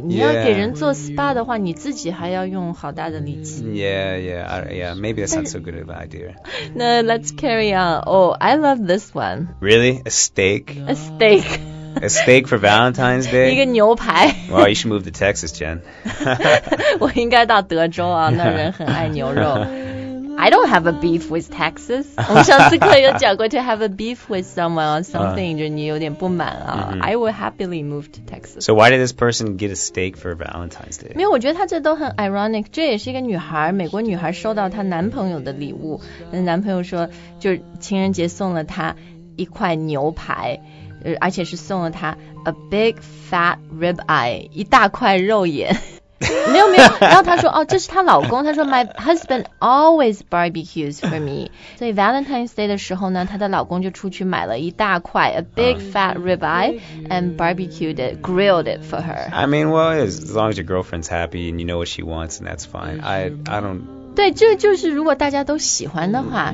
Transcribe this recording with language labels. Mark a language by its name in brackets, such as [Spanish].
[Chinese] 你要给人做 SPA 的话你自己还要用好大的力气。 [English] Yeah, maybe that's not so good of an idea. No, let's carry on. Oh, I love this one. Really? A steak? A steak. A steak for Valentine's Day? [Chinese] 一个牛排。 [English] Wow, you should move to Texas, Jen. [Chinese] 我应该到德州啊，那人很爱牛肉。 [English] I don't have a beef with Texas. 我上次课有讲过 to have a beef with someone or something, 就你有点不满啊。 I would happily move to Texas. So why did this person get a steak for Valentine's Day? [Chinese] 没有，我觉得他这都很 ironic. 这也是一个女孩，美国女孩收到她男朋友的礼物。男朋友说，就是情人节送了她一块牛排，而且是送了她 a big fat rib eye, 一大块肉眼。没有没有，然后他说哦，这是他老公，他说 My husband always barbecues for me. 所以 Valentine's Day 的时候呢，他的老公就出去买了一大块 a big fat ribeye and barbecued it, grilled it for her. [English] I mean, well, as long as your girlfriend's happy and you know what she wants, and that's fine. I don't. [Chinese] 对，这就是如果大家都喜欢的话，